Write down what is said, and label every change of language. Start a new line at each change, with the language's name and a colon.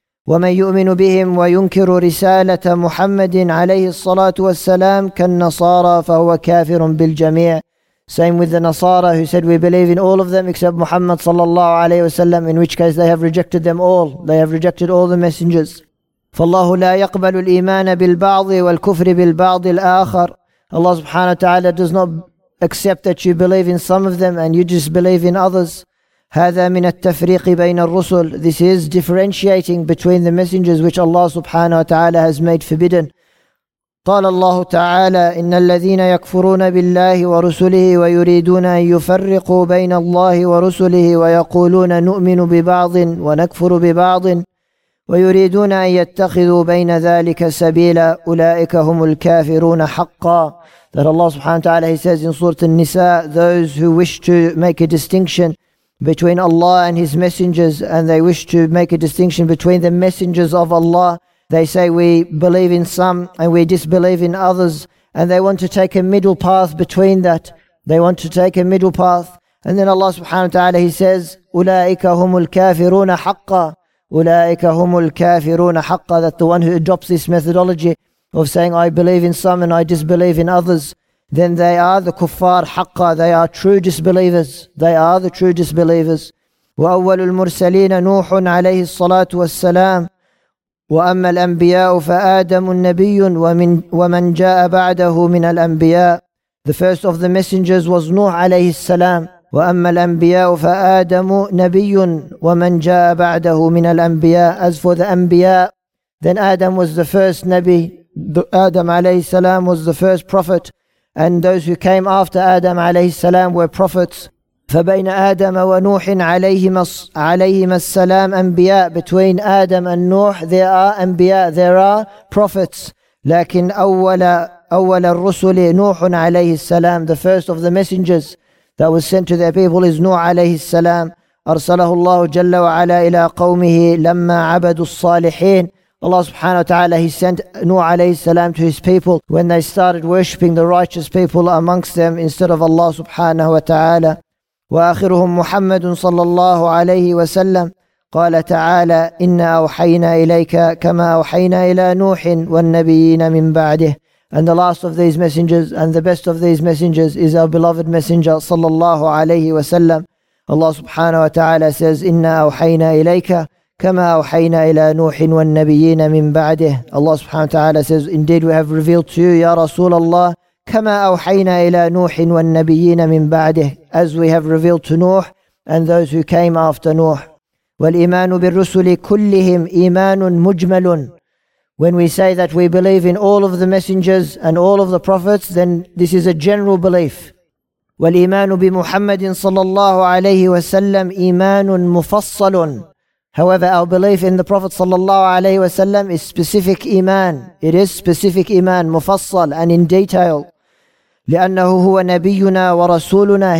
Arabic: وَمَنْ يُؤْمِنُ بِهِمْ وَيُنْكِرُ رِسَالَةَ مُحَمَّدٍ عَلَيْهِ الصَّلَاةُ وَالسَّلَامُ كَالنَّصَارَى فَهُوَ كَافِرٌ بِالْجَمِيعِ.
English: Same with the Nasara, who said, we believe in all of them except Muhammad sallallahu alayhi wa sallam, in which case they have rejected them all. They have rejected all the messengers.
Arabic: فالله لا يقبل الإيمان بالبعض والكفر بالبعض الآخر.
English: Allah subhanahu wa ta'ala does not accept that you believe in some of them and you just believe in others.
Arabic: هذا من التفريق بين الرسل.
English: This is differentiating between the messengers, which Allah subhanahu wa ta'ala has made forbidden.
Arabic: قال الله تعالى إن الذين يكفرون بالله ورسله ويريدون أن يفرقوا بين الله ورسله ويقولون نؤمن ببعض ونكفر ببعض ويريدون أن يتخذوا بين ذلك سبيلا أولئك هم الكافرون حقا.
English: That Allah subhanahu wa ta'ala, he says in Surah An-Nisa, those who wish to make a distinction between Allah and His messengers, and they wish to make a distinction between the messengers of Allah, they say we believe in some and we disbelieve in others, and they want to take a middle path between that. They want to take a middle path. And then Allah subhanahu wa ta'ala, He says,
Arabic: أُولَٰئِكَ هُمُ الْكَافِرُونَ حَقَّ
English: أُولَٰئِكَ هُمُ الْكَافِرُونَ حَقَّ. That the one who adopts this methodology of saying I believe in some and I disbelieve in others, then they are the kuffar حَقَّ. They are true disbelievers. They are the true disbelievers.
Arabic: وَأَوَّلُ الْمُرْسَلِينَ نُوحٌ عَلَيْهِ الصَّلَاةُ وَالسَّلَامُ وأما الأنبياء فآدم النبي ومن ومن جاء بعده من الأنبياء.
English: The first of the messengers was Nuh عليه السلام.
Arabic: وأما الأنبياء فآدم نبي ومن جاء بعده من الأنبياء.
English: As for the أنبياء, then Adam was the first Nabi. Adam عليه السلام was the first prophet, and those who came after Adam عليه السلام were prophets.
Arabic: فبين آدم ونوح عليهما السلام أنبياء.
English: Between Adam and Nuh, there are أنبياء, there are prophets.
Arabic: لكن أول الرسل نوح عليه السلام.
English: The first of the messengers that was sent to their people is Nuh عليه السلام.
Arabic: أرسله الله جل وعلا إلى قومه لما عبدوا الصالحين.
English: Allah subhanahu wa ta'ala, He sent Nuh عليه السلام to His people when they started worshipping the righteous people amongst them instead of Allah subhanahu wa ta'ala.
Arabic: وآخرهم محمد صلى الله عليه وسلم قال تعالى إنا أوحينا إليك كما أوحينا إلى نوح والنبيين من بعده.
English: And the last of these messengers and the best of these messengers is our beloved messenger صلى الله عليه وسلم. Allah subhanahu wa ta'ala says
Arabic: إنا أوحينا إليك كما أوحينا إلى نوح والنبيين من بعده.
English: Allah subhanahu wa ta'ala says, indeed we have revealed to you
Arabic: يا رسول الله كما أوحينا إلى نوح والنبيين من بعده.
English: As we have revealed to Nuh and those who came after Nuh.
Arabic: والإيمان بالرسل كلهم إيمان مجمل.
English: When we say that we believe in all of the messengers and all of the prophets, then this is a general belief.
Arabic: والإيمان بمحمد صلى الله عليه وسلم إيمان مفصل.
English: However, our belief in the Prophet صلى الله عليه وسلم is specific إيمان. It is specific
Arabic: إيمان مفصل
English: and in detail.
Arabic: لأنه هو نبينا ورسولنا.